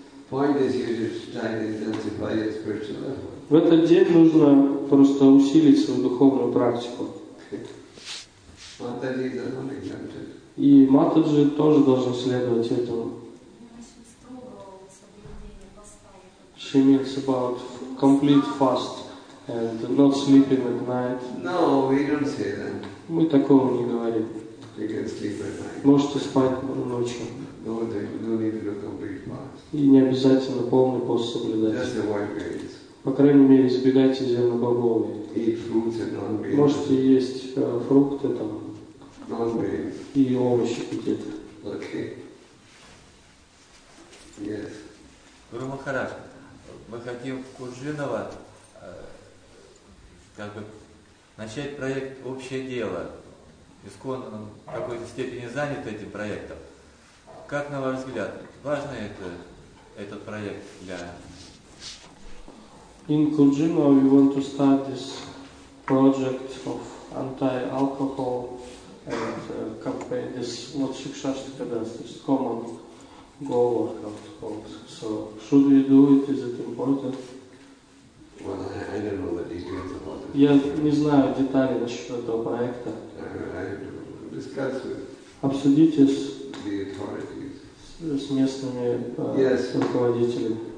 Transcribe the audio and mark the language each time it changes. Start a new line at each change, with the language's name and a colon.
English: Point is you should try to intensify your spiritual effort.
Russian: В этот день нужно просто усилить свою духовную практику.
English: Матаджи is not exempted.
Russian: И Матаджи тоже должен следовать этому.
English: She means about complete fast and not sleeping at night. No, we don't say that.
Russian: Мы такого не говорим.
English: You can sleep at night.
Russian: Можете спать ночью.
English: No, no need to do complete fast.
Russian: И не обязательно полный пост соблюдать.
English: Just avoid grains.
Russian: По крайней мере, избегайте зернобобовые.
English: Eat fruits and non-grains.
Russian: Можете есть фрукты там.
English: Non-grains.
Russian: И овощи какие-то.
English: Okay. Yes.
Russian: Гуру Махарадж, мы хотим в Куржинова как бы начать проект «Общее дело». Искон в какой-то степени занят этим проектом. Как на ваш взгляд, важен этот проект для...
English: In Куржинова we want to start this project of anti-alcohol and campaign, this what Shikshashtika does, this common So, should we do it? Is it important? Well, I don't know the details about it.
Russian: Я не знаю деталей насчет этого проекта.
English: Discuss with.
Russian: Обсудите с.
English: The authorities.
Russian: С местными руководителями.